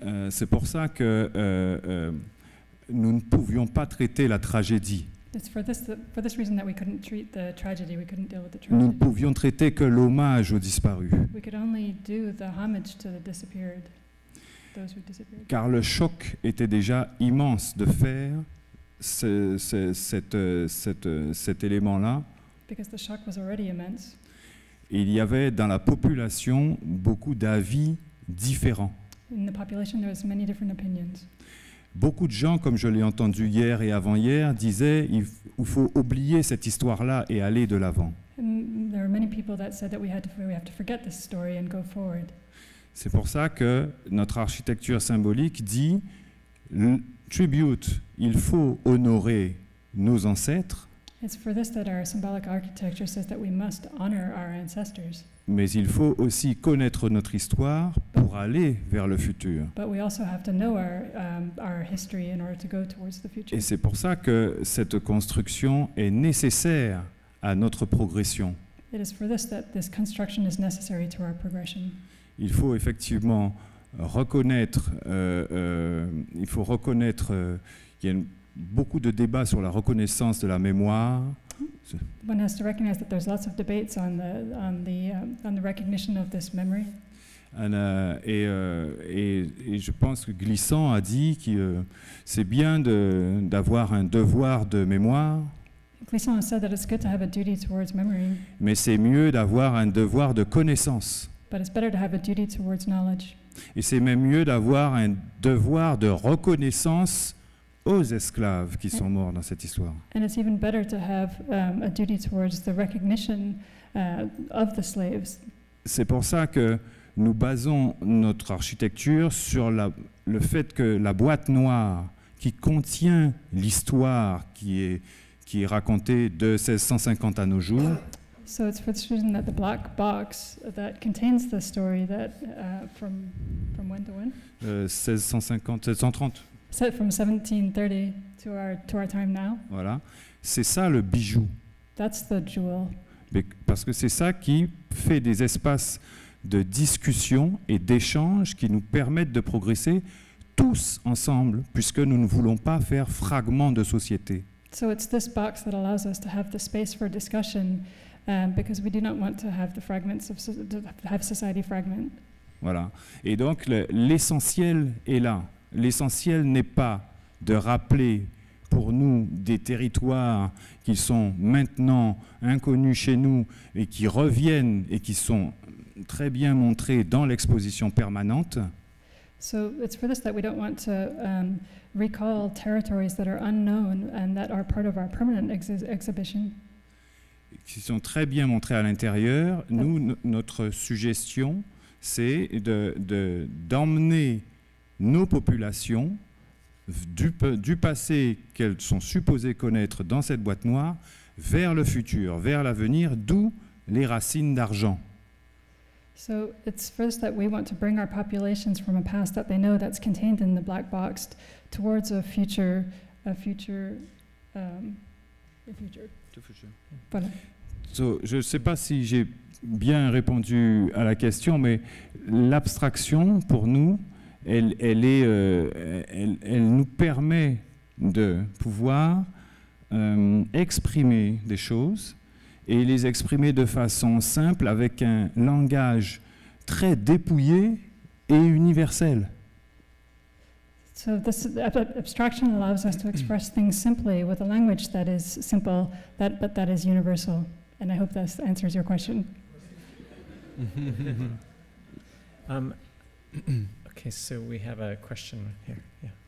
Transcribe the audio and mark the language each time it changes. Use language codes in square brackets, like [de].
[fr] C'est pour ça que nous ne pouvions pas traiter la tragédie. [en] It's for this reason that we couldn't treat the tragedy, we couldn't deal with the tragedy. [fr] Nous ne pouvions traiter que l'hommage aux disparus. [en] We could only do the homage to the disappeared, those who disappeared. [fr] Car le choc était déjà immense de faire cet élément-là. [en] Because the shock was already immense. [fr] Il y avait dans la population beaucoup d'avis différents. [en] In the population, there was many different opinions. [fr] Beaucoup de gens, comme je l'ai entendu hier et avant-hier, disaient qu'il faut oublier cette histoire-là et aller de l'avant. [en] There are many people that said that we have to forget this story and go forward. [fr] C'est pour ça que notre architecture symbolique dit tribute, il faut honorer nos ancêtres. [en] It's for this that our symbolic architecture says that we must honor our ancestors. [fr] Mais il faut aussi connaître notre histoire pour aller vers le futur. [en] But we also have to know our history in order to go towards the future. [fr] Et c'est pour ça que cette construction est nécessaire à notre progression. [en] It is for this that this construction is necessary to our progression. [fr] Il faut effectivement reconnaître, il faut reconnaître, il y a beaucoup de débats sur la reconnaissance de la mémoire. [en] one has to recognize that there's lots of debates on the recognition of this memory. [fr] And, et je pense que Glissant a dit que c'est bien de, d'avoir un devoir de mémoire. [en] Glissant has said that it's good to have a duty towards memory. [fr] Mais c'est mieux d'avoir un devoir de connaissance. [en] But it's better to have a duty towards knowledge. [fr] Et c'est même mieux d'avoir un devoir de reconnaissance aux esclaves qui sont morts dans cette histoire. [en] And it's even better to have a duty towards the recognition of the slaves. [fr] C'est pour ça que nous basons notre architecture sur la, le fait que la boîte noire qui contient l'histoire qui est racontée de 1650 à nos jours. [en] So it's for the reason that the black box that contains the story that from when to when? 1630. So from 1730 to our time now. [fr] Voilà, c'est ça le bijou. [en] That's the jewel. [fr] Parce que c'est ça qui fait des espaces de discussion et d'échange qui nous permettent de progresser tous ensemble, puisque nous ne voulons pas faire fragments de société. [en] So it's this box that allows us to have the space for discussion. Because we do not want to have the fragments of have society fragment. [fr] Voilà. Et donc l'essentiel est là. L'essentiel n'est pas de rappeler pour nous des territoires qui sont maintenant inconnus chez nous et qui reviennent et qui sont très bien montrés dans l'exposition permanente. [en] So it's for this that we don't want to recall territories that are unknown and that are part of our permanent exhibition. [fr] Qui sont très bien montrés à l'intérieur. Nous, notre suggestion, c'est d'emmener nos populations du passé qu'elles sont supposées connaître dans cette boîte noire vers le futur, vers l'avenir, d'où les racines d'argent. [en] So it's first that we want to bring our populations from a past that they know that's contained in the black box towards a future. [fr] Voilà. So, je ne sais pas si j'ai bien répondu à la question, mais l'abstraction, pour nous, elle nous permet de pouvoir exprimer des choses et les exprimer de façon simple avec un langage très dépouillé et universel. [en] So this abstraction allows us to express things simply with a language that is simple, but that is universal. And I hope this answers your question. Okay, so we have a question here. Yeah.